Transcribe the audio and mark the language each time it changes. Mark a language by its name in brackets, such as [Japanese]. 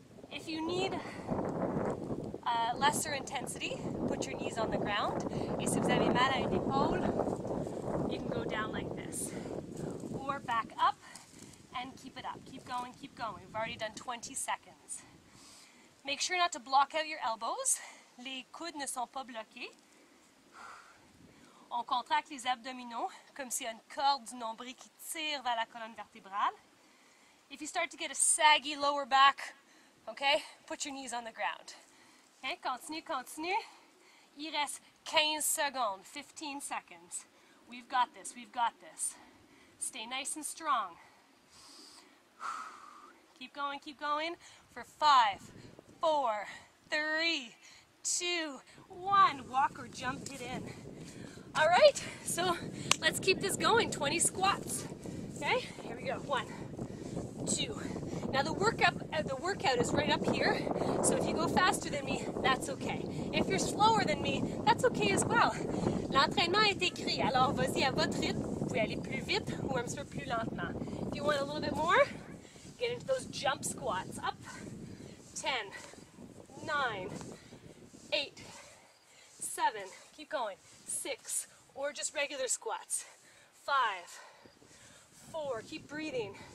[English] If you need a lesser intensity, put your knees on the ground. [French] Et si vous avez mal à une épaule, [English] you can go down like this. Or back up and keep it up. Keep going, keep going. We've already done 20 seconds. Make sure not to block out your elbows. [French] Les coudes ne sont pas bloqués. On contracte les abdominaux comme s'il y a une corde du nombril qui tire vers la colonne vertébrale. [English] If you start to get a saggy lower back, okay, put your knees on the ground. [French] Okay, continue, continue. Il reste 15 secondes, [English] 15 seconds. We've got this, we've got this. Stay nice and strong. Keep going, keep going. For 5, 4, 3, 2, 1. Walk or jump it in. All right, so let's keep this going. 20 squats, okay? Here we go, 1, 2. Now the workout is right up here, so if you go faster than me, that's okay. If you're slower than me, that's okay as well. [French] L'entraînement est écrit, alors vas-y à votre rythme. Vous pouvez aller plus vite ou un peu plus lentement. [English] If you want a little bit more, get into those jump squats. Up, 10, 9, 8, 7, keep going. 6, or just regular squats. 5, 4, keep breathing.